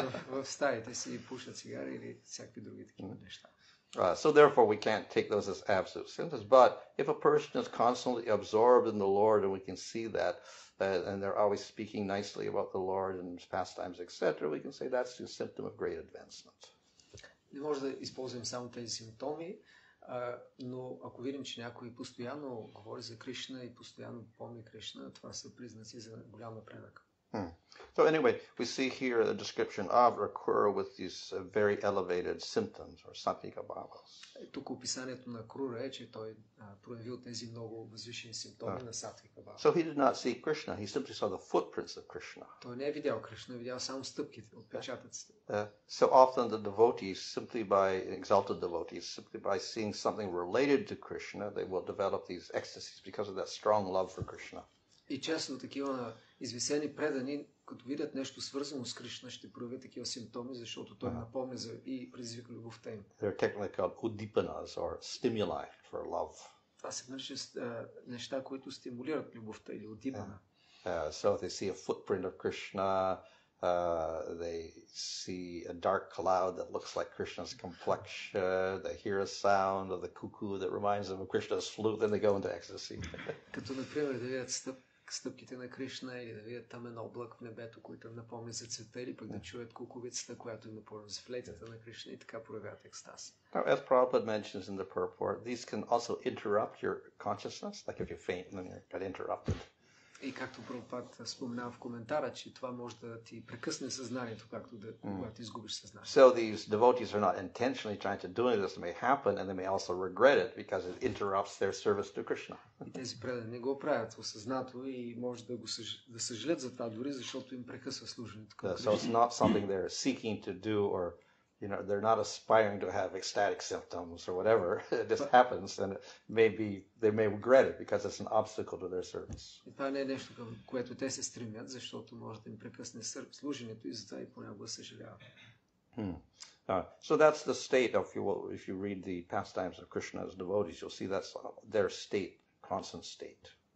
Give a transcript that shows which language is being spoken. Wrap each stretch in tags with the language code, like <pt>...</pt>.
<bg>В стаите си пушат цигари или всякакви други такива неща.</bg> <en>So therefore we can't take those as absolute symptoms, but if a person is constantly absorbed in the Lord and we can see that, and they're always speaking nicely about the Lord and his pastimes, etc., we can say that's a symptom of great advancement.</en> <bg>Не може да използвам само тези симптоми, но ако видим, че някой постоянно говори за Кришна и постоянно помни Кришна, това са признаци за голям напредък.</bg> <en>So anyway, we see here the description of Akrura with these very elevated symptoms or sattvika bhavas.</en> <bg>Тук описанието на Акрура е, че той проявил тези много възвишени симптоми на сатвика бхава.</bg> <en>So he did not see Krishna, he simply saw the footprints of Krishna.</en> <bg>Той не е видял Кришна, видял само стъпките, отпечатъците.</bg> <en>So often the devotees, exalted devotees, simply by seeing something related to Krishna, they will develop these ecstasies because of that strong love for Krishna.</en> <bg>И честно, такива извисени предани, като видят нещо свързано с Кришна, ще проявят такива симптоми, защото той напомня за и предизвика любовта им.</bg> <en>They're technically called udipanas or stimuli for love.</en> <bg>Това се нарича неща, които стимулират любовта или удипана.</bg> <en>So they see a footprint of Krishna, they see a dark cloud that looks like Krishna's complexion, they hear a sound of the cuckoo that reminds them of Krishna's flute, then they go into ecstasy.</en> <bg>Като, например, да видят стъпките на Кришна или да видят там едно облак в небето, който напомня за цвета, или пък да чуят куковицата, която им напомня за флейтата на Кришна и така проявяват екстаз.</bg> <en>Now, as Prabhupada mentions in the purport, these can also interrupt your consciousness, like if you faint and then you get interrupted.</en> <bg>И както Прабхупад споменава в коментара, че това може да ти прекъсне съзнанието, както да когато изгубиш съзнание.</bg> <en>So these devotees are not intentionally trying to do it. This may happen and they may also regret it because it interrupts their service to Krishna.</en> <bg>И тези предани го правят осъзнато и може да го да съжалят за това дори, защото им прекъсва служението.</bg> <en>So it's not something they're seeking to do, or you know, they're not aspiring to have ecstatic symptoms or whatever. It just happens, and maybe they may regret it because it's an obstacle to their service.</en> <bg>Това не е нещо, към което те се стремят, защото може да им прекъсне служението и затова и понякога съжаляват.</bg> <en>So that's the state of, if you read the pastimes of Krishna as devotees, you'll see that's their state, constant state.</en>